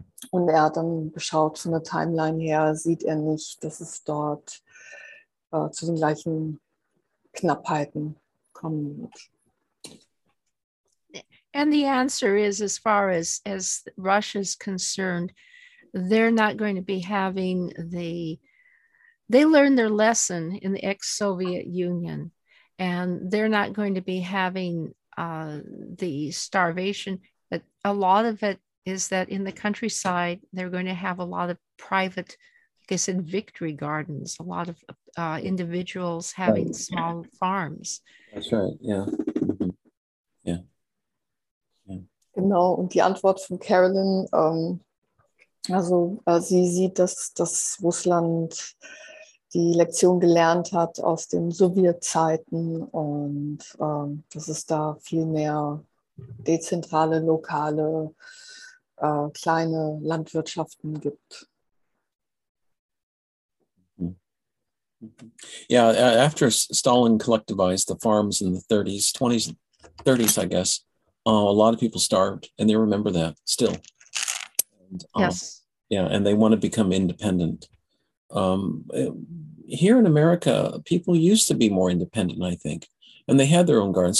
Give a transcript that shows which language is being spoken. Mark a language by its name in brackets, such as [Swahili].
[German] Und er hat dann geschaut, von der Timeline her sieht er nicht, dass es dort zu den gleichen Knappheiten kommen wird. [English] And the answer is, as far as Russia is concerned, they're not going to be having they learned their lesson in the ex-Soviet Union, and they're not going to be having the starvation, but a lot of it is that in the countryside, they're going to have a lot of private, like I said, victory gardens, a lot of individuals having right. Small farms. That's right, yeah. Mm-hmm. Yeah. [German] Genau, und die Antwort von Caroline, sie sieht, dass Russland die Lektion gelernt hat aus den Sowjetzeiten und dass es da viel mehr dezentrale, lokale, kleine Landwirtschaften gibt. [English] Yeah, after Stalin collectivized the farms in the 30s, 20s, 30s, I guess, a lot of people starved, and they remember that still. And, yes. Yeah, and they want to become independent. Here in America, people used to be more independent, I think, and they had their own gardens.